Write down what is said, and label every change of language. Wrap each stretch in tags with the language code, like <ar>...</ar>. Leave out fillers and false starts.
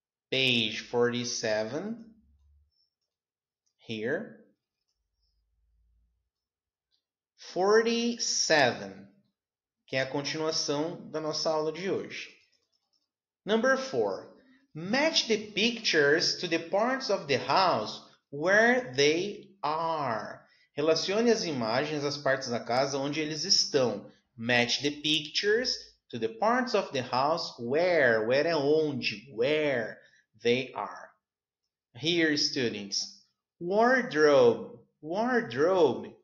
<pt>Page 47, here, 47, que é a continuação da nossa aula de hoje.</pt> <en>Number 4, match the pictures to the parts of the house where they are.</en> <pt>Relacione as imagens às partes da casa onde eles estão.</pt> <en>Match the pictures to the parts of the house where, where</en> <pt>é onde,</pt> <en>where. They are. Here, students. Wardrobe. Wardrobe.</en>